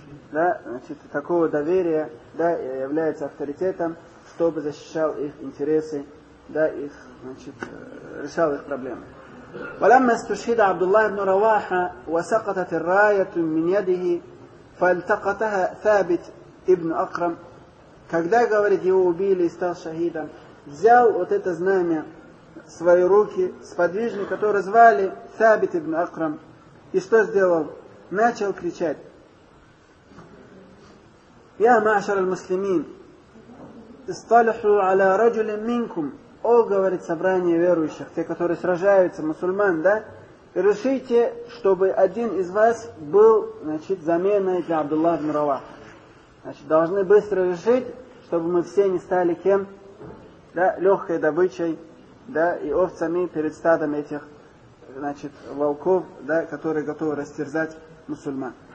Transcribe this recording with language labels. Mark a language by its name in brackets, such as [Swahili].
[Russian] Да, значит, такого доверия, да, является авторитетом, чтобы защищал их интересы, да, их, значит, решал их проблемы. [Arabic] ولما استشهد عبد الله بن رواحة وسقطت الراية من يده فالتقطها ثابت ابن أقرم. [Russian] Когда, говорит, его убили и стал шахидом, взял вот это знамя в свои руки сподвижник, который звали Сабит ибн Акрам, и что сделал? [Arabic] Начал кричать: Я معشر المسلمين اصطلحوا على رجل منكم. [Russian] О, говорит, собрание верующих, те, которые сражаются, мусульман, да? Решите, чтобы один из вас был, значит, заменой для Абдуллах ибн Раваха. Значит, должны быстро решить, чтобы мы все не стали кем? Да, легкой добычей, да, и овцами перед стадом этих, значит, волков, да, которые готовы растерзать мусульман.